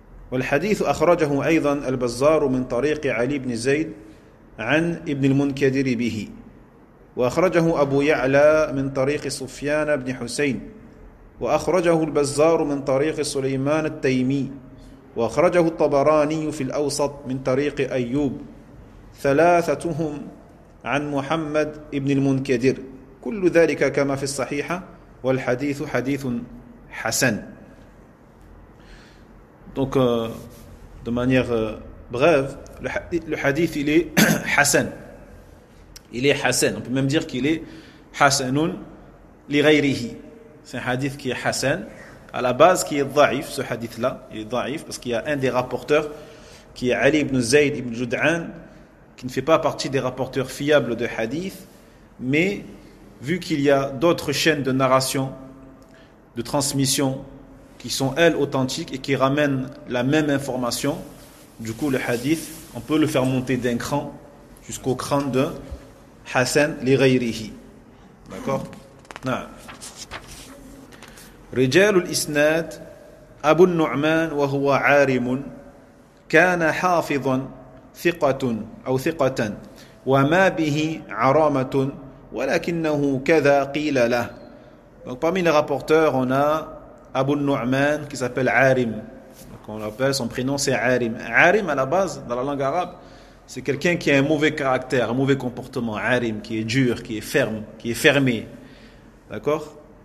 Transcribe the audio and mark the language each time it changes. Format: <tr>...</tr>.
<ar>والحديث أخرجه أيضا البزار من طريق علي بن زيد عن ابن المنكدر به، وأخرجه أبو يعلى من طريق سفيان بن حسين، وأخرجه البزار من طريق سليمان التيمي، وأخرجه الطبراني في الأوسط من طريق أيوب، ثلاثتهم عن محمد ابن المنكدر. كل ذلك كما في الصحيحة والحديث حديث حسن.</ar> <fr>Donc de manière brève, le hadith il est حسن. Il est حسن. On peut même dire qu'il est حسن لغيره. C'est un hadith qui est حسن. À la base qui est ضعيف, ce hadith là, il est ضعيف parce qu'il y a un des rapporteurs qui est Ali ibn Zayd ibn Jud'an, qui ne fait pas partie des rapporteurs fiables de hadith, mais vu qu'il y a d'autres chaînes de narration, de transmission, qui sont elles authentiques et qui ramènent la même information, du coup le hadith, on peut le faire monter d'un cran jusqu'au cran de Hassan l'Ghayrihi. D'accord ? Non.</fr> <ar>رجال الإسناد أبو النعمان وهو عارم كان حافظا ثقة أو ثقة وما به عرامة ولكنه كذا قيل له.</ar> <fr>Donc parmi les rapporteurs on a Abu Nu'man qui s'appelle Arim. Donc on l'appelle, son prénom c'est Arim. Arim à la base dans la langue arabe c'est quelqu'un qui a un mauvais caractère, un mauvais comportement. Arim qui est dur, qui est ferme, qui est fermé. D'accord?</fr>